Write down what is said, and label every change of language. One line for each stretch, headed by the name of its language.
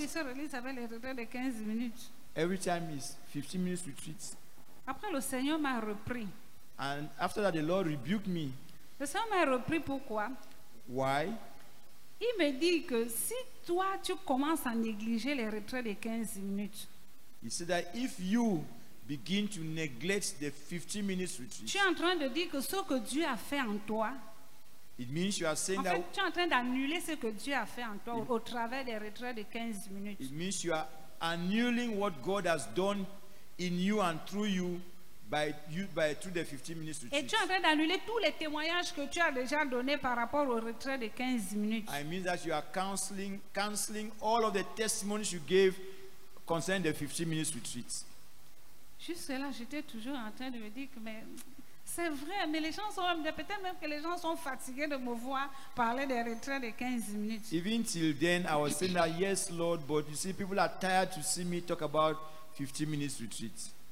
French: Il se relise avec les retraites de 15 minutes.
English: Every time is 15 minutes retreat.
French: Après, le Seigneur m'a repris.
English: And after that, the Lord rebuked me.
French: Le Seigneur m'a repris pourquoi?
English: Why?
French: Il me dit que si toi tu commences à négliger les retraits de 15 minutes,
English: he said that if you begin to neglect the 15 minutes retreat,
French: tu es en train de dire que ce que Dieu a fait en toi,
English: it means you are saying
French: en fait,
English: that
French: tu es en train d'annuler ce que Dieu a fait en toi au travers des retraits de 15 minutes.
English: It means you are annulling what God has done in you and through you by through the 15 minutes retreat.
French: Et tu es en train d'annuler tous les témoignages que tu as déjà donné par rapport au retrait de 15 minutes.
English: I mean that you are canceling all of the testimonies you gave concerning the 15 minutes retreat.
French: Juste là, j'étais toujours en train de me dire que mais c'est vrai, mais les gens sont peut-être même que les gens sont fatigués de me voir parler des retraits de 15 minutes.
English: Even till then, I was saying that yes, Lord, but you see, people are tired to see me talk about 15 minutes retreat.